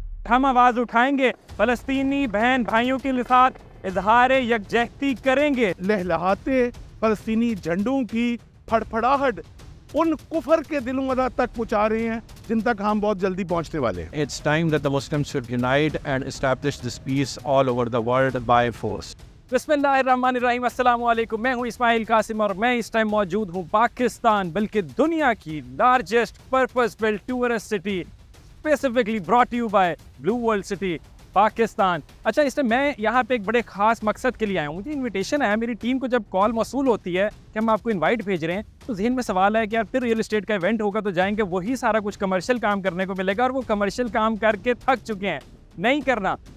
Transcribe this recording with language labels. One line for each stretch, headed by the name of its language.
Urdu: ہم آواز اٹھائیں گے فلسطینی بہن بھائیوں کے ساتھ اظہار یکجہتی کریں گے لہلہاتے فلسطینی جھنڈوں کی پھڑ پھڑاہٹ ان کفر کے دلوں ادا تک پہنچا رہے ہیں جن تک ہم بہت جلدی پہنچنے والے ہیں
English: It's time that the Muslims should unite and establish this peace all over the world by force.
Urdu: بسم اللہ الرحمن الرحیم السلام علیکم میں ہوں اسماعیل قاسم اور میں اس ٹائم موجود ہوں پاکستان بلکہ دنیا کی
English: largest purpose built tourist city specifically brought to you by
Urdu: blue world city Pakistan اچھا اس ٹائم میں یہاں پہ ایک بڑے خاص مقصد کے لیے آیا ہوں مجھے انویٹیشن آیا میری ٹیم کو جب کال موصول ہوتی ہے کہ ہم آپ کو انوائٹ بھیج رہے ہیں تو ذہن میں سوال ہے کہ یار پھر ریئل اسٹیٹ کا ایونٹ ہوگا تو جائیں گے وہی سارا کچھ کمرشل کام کرنے کو ملے گا اور وہ کمرشل کام کر کے تھک چکے ہیں نہیں کرنا